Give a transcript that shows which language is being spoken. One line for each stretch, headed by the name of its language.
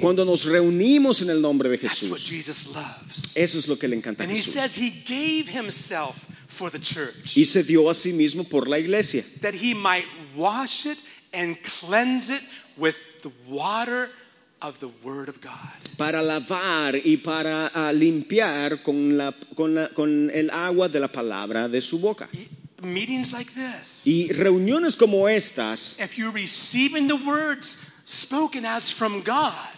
Spanish: Cuando nos reunimos en el nombre de Jesús.
English: That's what Jesus loves.
Spanish: Eso es lo que le encanta a Jesús.
English: And he gave himself for the church.
Spanish: Y se dio a sí mismo por la iglesia.
English: That he might wash it and cleanse it with the water of the word of God.
Spanish: Para lavar y para limpiar con el agua de la palabra de su boca.
English: Meetings like this.
Spanish: Y reuniones como estas.
English: If you're receiving the words spoken as from God.